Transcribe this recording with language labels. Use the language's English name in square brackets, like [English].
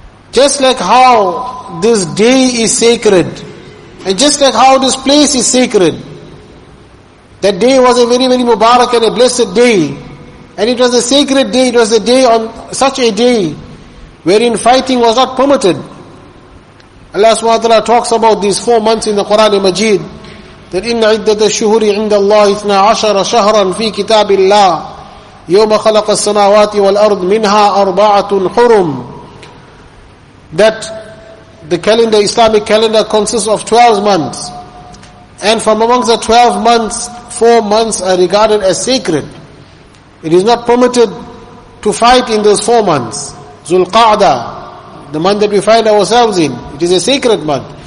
[English] Just like how this day is sacred, and just like how this place is sacred, that day was a very, very Mubarak and a blessed day, and it was a sacred day, it was a day on such a day wherein fighting was not permitted. Allah subhanahu wa ta'ala talks about these 4 months in the Quran Majid, that in [Arabic] عِدَّةَ الشُّهُرِ عِنْدَ اللَّهِ 12 شَهْرًا فِي كِتَابِ اللَّهِ يَوْمَ خَلَقَ السَّمَاوَاتِ وَالْأَرْضِ مِنْهَا أَرْبَعَةٌ حُرُمٌ. [English] That the calendar, Islamic calendar, consists of 12 months. And from amongst the 12 months, 4 months are regarded as sacred. It is not permitted to fight in those 4 months. Zulqa'dah, the month that we find ourselves in, it is a sacred month.